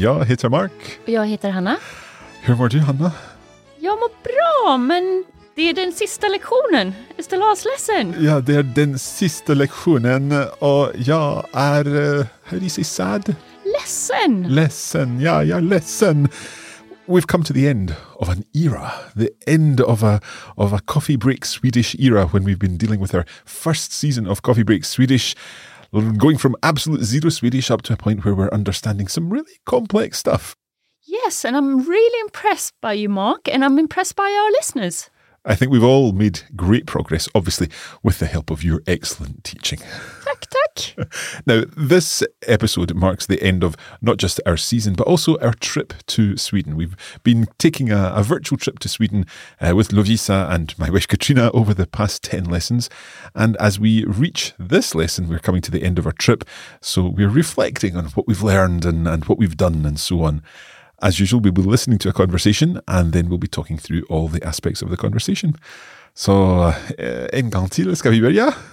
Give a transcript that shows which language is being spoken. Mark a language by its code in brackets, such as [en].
[sv] Jag heter Mark. Och jag heter Hanna. Hur mår du, Hanna? Jag mår bra, men det är den sista lektionen. [en] It's the last lesson. [sv] Ja, det är den sista lektionen och jag är, [en] how do you say sad? [sv] Ledsen. Ledsen, ja, jag är ledsen. [en] We've come to the end of an era, the end of a Coffee Break Swedish era when we've been dealing with our first season of Coffee Break Swedish. Going from absolute zero Swedish up to a point where we're understanding some really complex stuff. Yes, and I'm really impressed by you, Mark, and I'm impressed by our listeners. I think we've all made great progress, obviously, with the help of your excellent teaching. [sv] Tack, tack. [en] Now, this episode marks the end of not just our season, but also our trip to Sweden. We've been taking a virtual trip to Sweden with Lovisa and my wife Katrina over the past 10 lessons. And as we reach this lesson, we're coming to the end of our trip. So we're reflecting on what we've learned and what we've done and so on. As usual, we'll be listening to a conversation and then we'll be talking through all the aspects of the conversation. [sv] So, en gång till, ska vi börja?